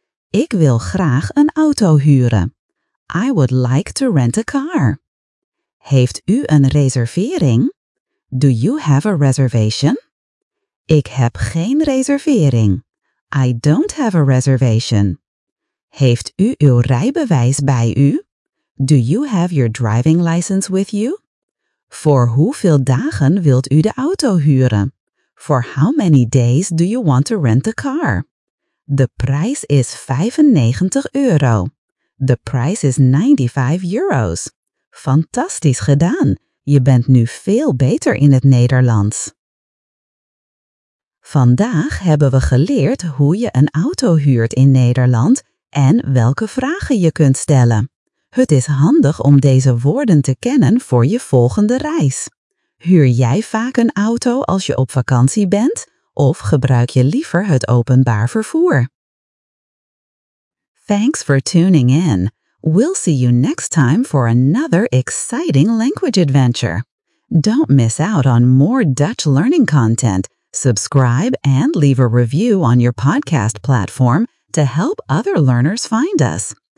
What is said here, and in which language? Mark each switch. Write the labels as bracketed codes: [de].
[nl] Ik wil graag een auto huren. [en] I would like to rent a car. [nl] Heeft u een reservering? [en] Do you have a reservation? [nl] Ik heb geen reservering. [en] I don't have a reservation. [nl] Heeft u uw rijbewijs bij u? [en] Do you have your driving license with you? [nl] Voor hoeveel dagen wilt u de auto huren? [en] For how many days do you want to rent the car? [nl] De prijs is €95. [en] The price is €95. [nl] Fantastisch gedaan! Je bent nu veel beter in het Nederlands. Vandaag hebben we geleerd hoe je een auto huurt in Nederland en welke vragen je kunt stellen. Het is handig om deze woorden te kennen voor je volgende reis. Huur jij vaak een auto als je op vakantie bent of gebruik je liever het openbaar vervoer? [en] Thanks for tuning in. We'll see you next time for another exciting language adventure. Don't miss out on more Dutch learning content. Subscribe and leave a review on your podcast platform to help other learners find us.